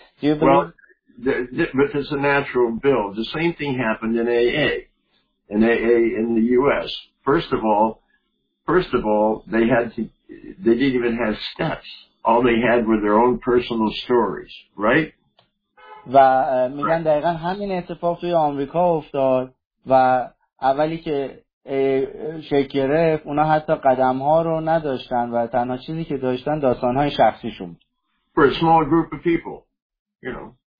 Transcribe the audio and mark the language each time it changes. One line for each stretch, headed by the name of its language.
English: Do you believe? But it's a natural build. The same thing happened in AA, in the U.S. First of all, they didn't even have steps. All they had were their own personal stories, right?
Persian: و میگن دقیقا همین اتفاق توی آمریکا افتاد و اولی که شکل گرفت اونا حتی قدم‌ها رو نداشتن و تنها چیزی که داشتن داستان‌های شخصیشون بود.
English: For a small group of people, you know.